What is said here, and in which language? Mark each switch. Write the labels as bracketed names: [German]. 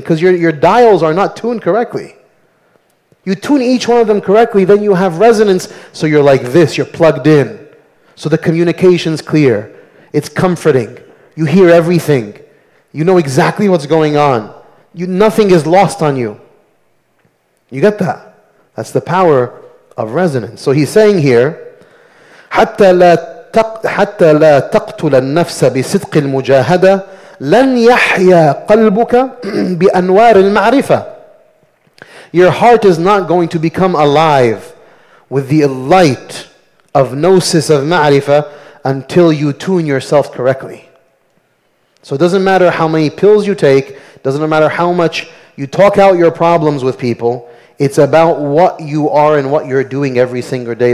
[English] Because your dials are not tuned correctly. You tune each one of them correctly, then you have resonance. So you're like this, you're plugged in. So the communication's clear. It's comforting. You hear everything. You know exactly what's going on. Nothing is lost on you. You get that? That's the power of resonance. So he's saying here, [Arabic] حَتَّى لَا تَقْتُلَ النَّفْسَ بِصِدْقِ الْمُجَاهَدَةِ لَنْ يَحْيَى قَلْبُكَ بِأَنْوَارِ الْمَعْرِفَةِ. [English] Your heart is not going to become alive with the light of gnosis of ma'rifah until you tune yourself correctly. So it doesn't matter how many pills you take, doesn't matter how much you talk out your problems with people, it's about what you are and what you're doing every single day.